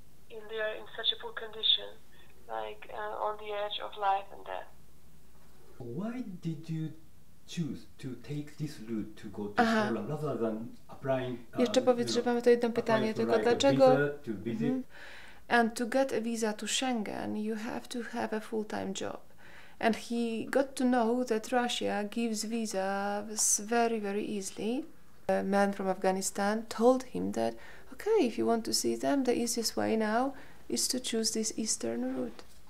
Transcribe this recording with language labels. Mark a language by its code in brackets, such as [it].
[en] And they are in such a poor condition, like on the edge of life and death. Why did you choose to take this route to go to Poland rather than applying? [pl] Jeszcze powiedz, że mamy to jedno pytanie, tylko dlaczego? [en] And to get a visa to Schengen, you have to have a full-time job. And he got to know that Russia gives visas very, very easily. A man from Afghanistan told him that, okay, if you want to see them, the easiest way now is to choose this eastern route.